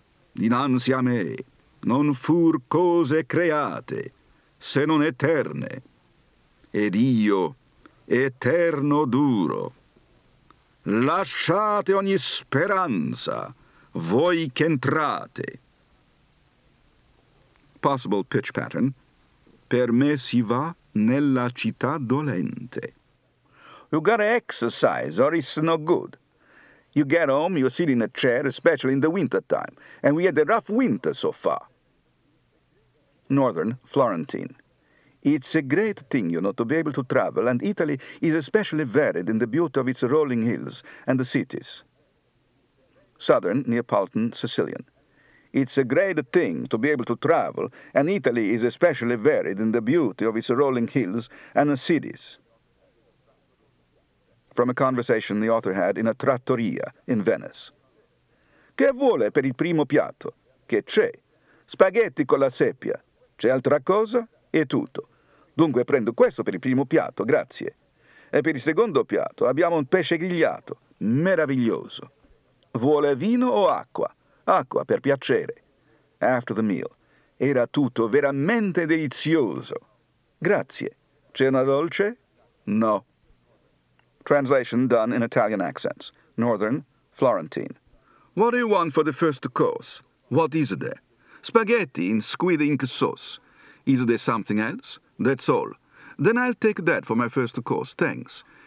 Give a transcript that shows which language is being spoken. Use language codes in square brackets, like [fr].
[it] Dinanzi a me non fur cose create, se non eterne, ed io eterno duro. Lasciate ogni speranza, voi che entrate. [en] Possible pitch pattern. [it] Per me si va nella città dolente. [en] You gotta exercise or it's no good. You get home, you sit in a chair, especially in the winter time, and we had a rough winter so far. Northern, Florentine. It's a great thing, you know, to be able to travel, and Italy is especially varied in the beauty of its rolling hills and the cities. Southern, Neapolitan, Sicilian. It's a great thing to be able to travel, and Italy is especially varied in the beauty of its rolling hills and the cities. From a conversation the author had in a trattoria in Venice. [it] Che vuole per il primo piatto? Che c'è? Spaghetti con la seppia. C'è altra cosa? E tutto. Dunque prendo questo per il primo piatto, grazie. E per il secondo piatto abbiamo un pesce grigliato. Meraviglioso. Vuole vino o acqua? Acqua, per piacere. [en] After the meal. [it] Era tutto veramente delizioso. Grazie. C'è una dolce? No. [en] Translation done in Italian accents. Northern, Florentine. What do you want for the first course? What is there? Spaghetti in squid ink sauce. Is there something else? That's all. Then I'll take that for my first course, thanks.